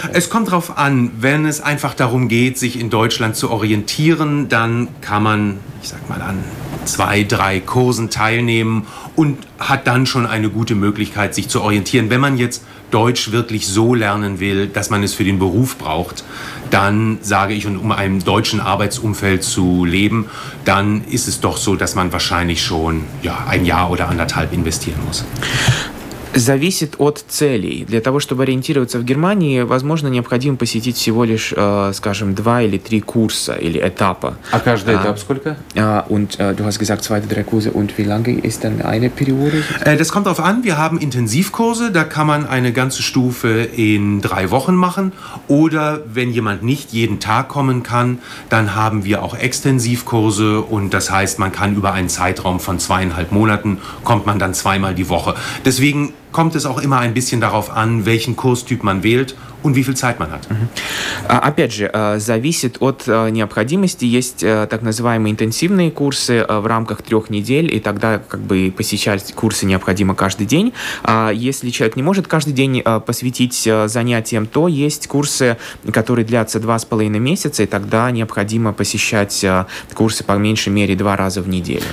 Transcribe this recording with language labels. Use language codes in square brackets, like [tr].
[de] Es kommt drauf an, wenn es einfach darum geht, sich in Deutschland zu orientieren, dann kann man, ich sag mal, an 2-3 Kursen teilnehmen und hat dann schon eine gute Möglichkeit, sich zu orientieren. Wenn man jetzt Deutsch wirklich so lernen will, dass man es für den Beruf braucht, dann sage ich, und um einem deutschen Arbeitsumfeld zu leben, dann ist es doch so, dass man wahrscheinlich schon ja, ein Jahr oder anderthalb investieren muss. [ru] Зависит от целей. Для того, чтобы ориентироваться в Германии, возможно, необходимо посетить всего лишь, скажем, 2 или 3 курса или этапа. А каждый этап сколько? [de] Und du hast gesagt 2-3 Kurse. Und wie lange ist dann eine Periode? Das kommt darauf an. Wir haben Intensivkurse, da kann man eine ganze Stufe in 3 Wochen machen. Oder wenn jemand nicht jeden Tag kommen kann, dann haben wir auch Extensivkurse. Und das heißt, man kann über einen Zeitraum von 2,5 Monaten kommt man dann 2-mal die Woche. Deswegen kommt es auch immer ein bisschen darauf an, welchen Kurstyp man wählt und wie viel Zeit man hat. [ru] Опять же, зависит от необходимости. Есть так называемые интенсивные курсы в рамках 3 недель, и тогда как бы посещать курсы необходимо каждый день. Если человек не может каждый день посвятить занятиям, то есть курсы, которые длятся 2,5 месяца, и тогда необходимо посещать курсы по меньшей мере 2 раза в неделю.